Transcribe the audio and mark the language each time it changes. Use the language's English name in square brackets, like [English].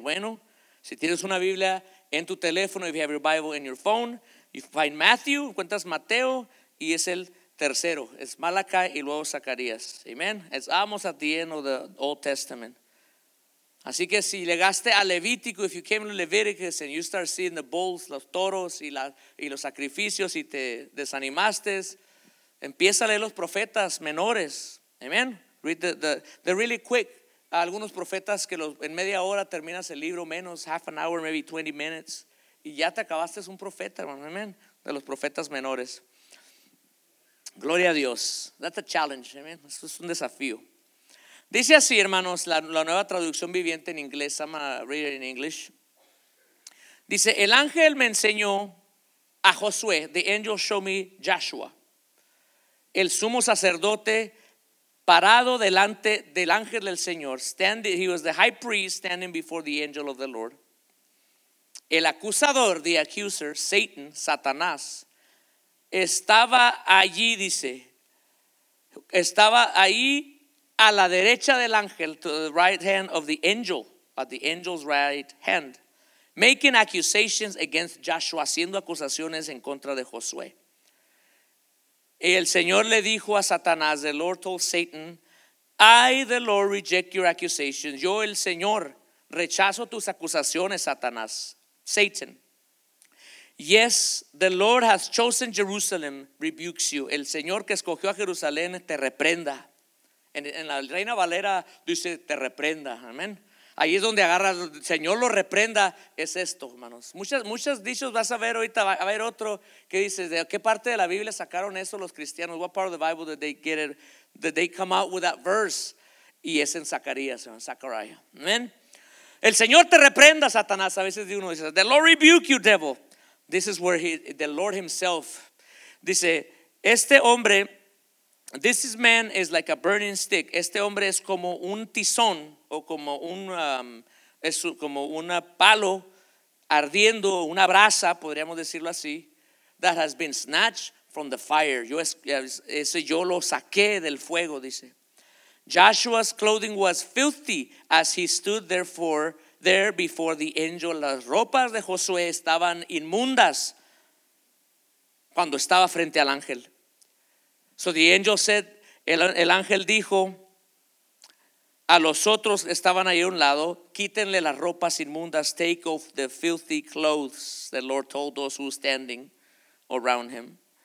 [Spanish] Bueno, si tienes una Biblia en tu teléfono, [English] if you have your Bible in your phone, you find Matthew, [Spanish] encuentras Mateo, y es el tercero. Es Malakai y luego Zacarías. Amen. [English] It's almost at the end of the Old Testament. [Spanish] Así que si llegaste a Levítico, [English] if you came to Leviticus and you start seeing the bulls, [Spanish] los toros y los sacrificios y te desanimaste, empieza a leer los profetas menores. Amen. [English] Read the really quick. [Spanish] A algunos profetas que en media hora terminas el libro, menos, [English] half an hour, maybe 20 minutes, [Spanish] y ya te acabaste, es un profeta, hermano, amen, de los profetas menores. Gloria a Dios. [English] That's a challenge, amen. [Spanish] Eso es un desafío. Dice así, hermanos, la nueva traducción viviente en inglés. [English] I'm gonna read it in English. [Spanish] Dice, el ángel me enseñó a Josué, [English] the angel showed me Joshua, [Spanish] el sumo sacerdote, parado delante del ángel del Señor. [English] Standing, he was the high priest standing before the angel of the Lord. [Spanish] El acusador, [English] the accuser, [Spanish] Satan, Satanás, estaba allí, dice, estaba ahí a la derecha del ángel, [English] to the right hand of the angel, at the angel's right hand, making accusations against Joshua, [Spanish] haciendo acusaciones en contra de Josué. Y el Señor le dijo a Satanás, [English] the Lord told Satan, I, the Lord, reject your accusations. [Spanish] Yo, el Señor, rechazo tus acusaciones, Satanás. [English] Satan. Yes, the Lord has chosen Jerusalem, rebukes you. [Spanish] El Señor que escogió a Jerusalén te reprenda. En la Reina Valera dice, te reprenda. Amén. Ahí es donde agarra, el Señor lo reprenda, es esto, hermanos. Muchos dichos vas a ver ahorita, va a haber otro que dice, ¿de qué parte de la Biblia sacaron eso los cristianos? [English] What part of the Bible did they get it, did they come out with that verse? [Spanish] Y es en Zacarías, en Zechariah. Amen. El Señor te reprenda, Satanás. A veces uno dice, [English] the Lord rebuke you, devil. This is where the Lord himself [Spanish] dice, este hombre [English] This is man is like a burning stick. [Spanish] Este hombre es como un tizón o como un es como una palo ardiendo, una brasa, podríamos decirlo así. [English] That has been snatched from the fire. [Spanish] Yo lo saqué del fuego, dice. [English] Joshua's clothing was filthy as he stood there before the angel. [Spanish] Las ropas de Josué estaban inmundas cuando estaba frente al ángel. [English] So the angel said, [Spanish] el ángel dijo a los otros que estaban ahí a un lado, quítenle las ropas inmundas, [English] take off the filthy clothes, the Lord told those who were standing around him.